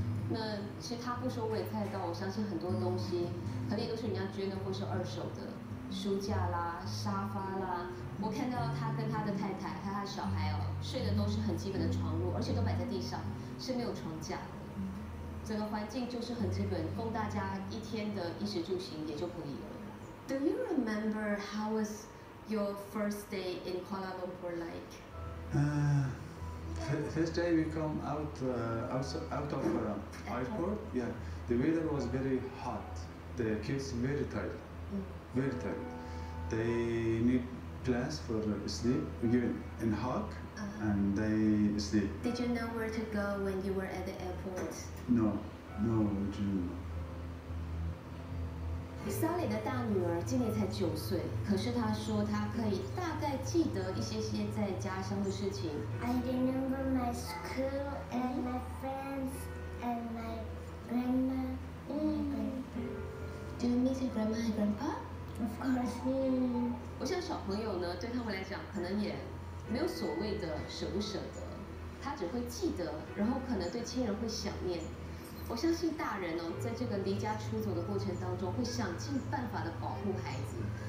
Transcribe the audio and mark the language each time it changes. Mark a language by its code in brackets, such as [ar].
[zh] 那其实他不说我也猜得到，我相信很多东西可能也都是人家捐的或是二手的，书架啦、沙发啦。我看到他跟他的太太还有他的小孩哦，睡的都是很基本的床褥，而且都摆在地上，是没有床架的。整个环境就是很基本，供大家一天的衣食住行也就可以了。 [en] Do you remember how was your first day in Kuala Lumpur like? First day we come out of airport. Yeah, the weather was very hot. The kids very tired, very tired. They need plans for sleep. We give in hug, and they sleep. Did you know where to go when you were at the airport? No, we didn't know. [zh] Sally 的大女儿今年才九岁，可是她说她可以大概记得一些些在家乡的事情。 [en] I remember my school and my friends and my grandma. Do you miss your grandma and grandpa? Of course.、 [zh] 我想小朋友呢，对他们来讲可能也没有所谓的舍不舍得，他只会记得，然后可能对亲人会想念。我相信大人哦，在这个离家出走的过程当中，会想尽办法的保护孩子。